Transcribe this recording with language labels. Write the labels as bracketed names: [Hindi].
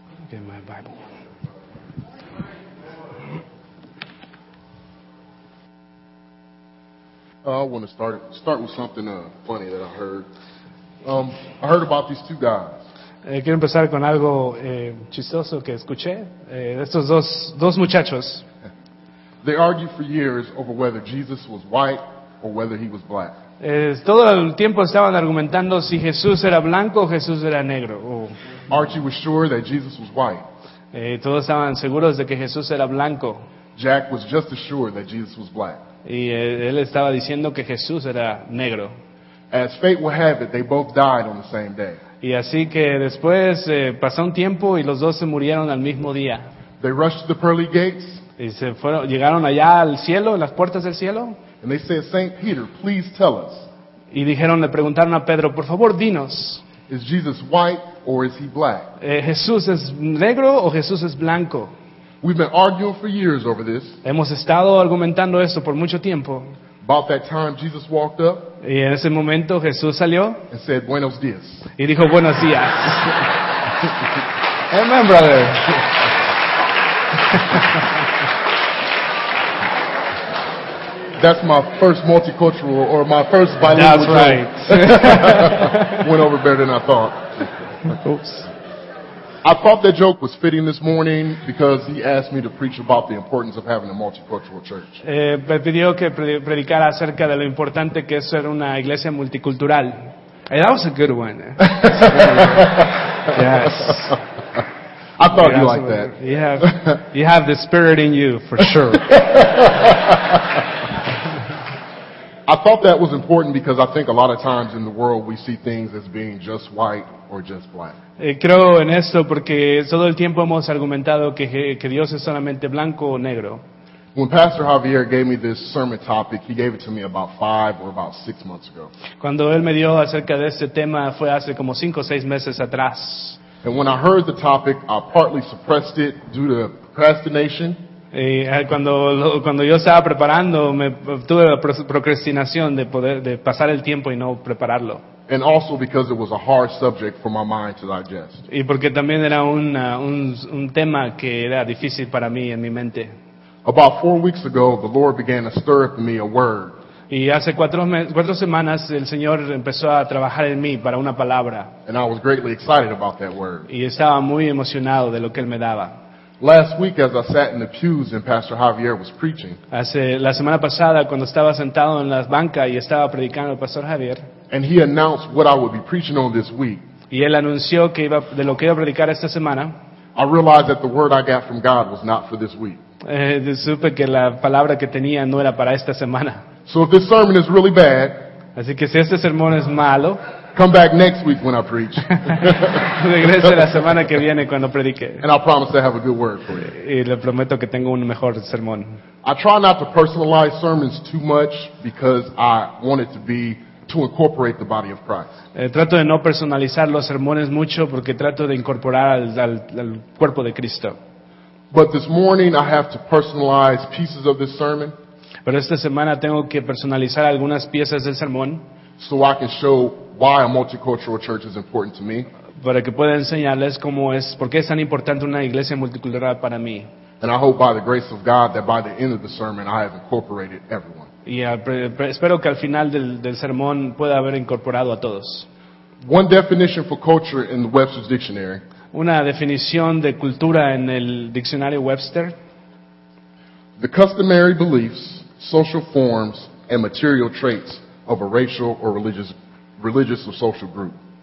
[English] Get my Bible. I want to start with something funny that I heard. I heard about these two guys. [Spanish] Quiero empezar con algo chistoso que escuché. Estos dos muchachos. [English] They argued for years over whether Jesus was white or whether he was black. [Spanish] Todo el tiempo estaban argumentando si Jesús era blanco o Jesús era negro. Oh. [English] Archie was sure that Jesus was white. [Spanish] Todos estaban seguros de que Jesús era blanco. [English] Jack was just as sure that Jesus was black. [Spanish] Y él estaba diciendo que Jesús era negro. [English] As fate would have it, they both died on the same day. [Spanish] Y así que después pasó un tiempo y los dos se murieron al mismo día. [English] They rushed to the pearly gates. [Spanish] Y se fueron, llegaron allá al cielo, en las puertas del cielo. [English] And they said, Saint Peter, please tell us. [Spanish] Y dijeron, le preguntaron a Pedro, por favor, dinos. [English] Is Jesus white or is he black? [Spanish] ¿Jesús es negro o Jesús es blanco? [English] We've been arguing for years over this. [Spanish] Hemos estado argumentando eso por mucho tiempo. [English] About that time, Jesus walked up. [Spanish] Y en ese momento, Jesús salió. [English] And said, [Spanish] buenos días. Y dijo, buenos días. [English] Amen, brother. That's my first multicultural, or my first bilingual. That's right. Went over better than I thought. Oops. I thought that joke was fitting this morning because he asked me to preach about the importance of having a multicultural church. [Spanish] Me pidió que predicara acerca de lo importante que es ser una iglesia multicultural. [English] And that was a good one. Yes. I thought you liked that. You have the spirit in you, for sure. I thought that was important because I think a lot of times in the world we see things as being just white or just black. [Spanish] Creo en esto porque todo el tiempo hemos argumentado que Dios es solamente blanco o negro. [English] When Pastor Javier gave me this sermon topic, he gave it to me about 5 or about 6 months ago. [Spanish] Cuando él me dio acerca de este tema fue hace como 5 o 6 meses atrás. [English] And when I heard the topic, I partly suppressed it due to procrastination. [Spanish] Y cuando yo estaba preparando, me tuve la procrastinación de poder de pasar el tiempo y no prepararlo. [English] And also because it was a hard subject for my mind to digest. [Spanish] Y porque también era un tema que era difícil para mí en mi mente. [English] About 4 weeks ago, the Lord began to stir up in me a word. [Spanish] Y hace cuatro semanas el Señor empezó a trabajar en mí para una palabra. [English] And I was greatly excited about that word. [Spanish] Y estaba muy emocionado de lo que él me daba. [English] Last week, as I sat in the pews and Pastor Javier was preaching, [Spanish] la semana pasada cuando estaba sentado en la banca y estaba predicando el Pastor Javier, [English] and he announced what I would be preaching on this week, [Spanish] y él anunció que iba de lo que iba a predicar esta semana, [English] I realized that the word I got from God was not for this week. [Spanish] Supe que la palabra que tenía no era para esta semana. [English] So if this sermon is really bad, [Spanish] así que si este sermón es malo, [English] come back next week when I preach. [Spanish] Regrese la semana que viene cuando predique. [English] And I promise to have a good word for you. [Spanish] Y le prometo que tengo un mejor sermón. [English] I try not to personalize sermons too much because I want it to be to incorporate the body of Christ. [Spanish] Trato de no personalizar los sermones mucho porque trato de incorporar al cuerpo de Cristo. [English] But this morning I have to personalize pieces of this sermon. [Spanish] Pero esta semana tengo que personalizar algunas piezas del sermón. [English] So I can show why a multicultural church is important to me. [Spanish] Para que pueda enseñarles cómo es, por qué es tan importante una iglesia multicultural para mí. [English] And I hope by the grace of God that by the end of the sermon I have incorporated everyone. [Spanish] Y espero que al final del sermón pueda haber incorporado a todos. [English] One definition for culture in the Webster's Dictionary. [Spanish] Una definición de cultura en el diccionario Webster. [English] The customary beliefs, social forms, and material traits of a racial or religious or social group.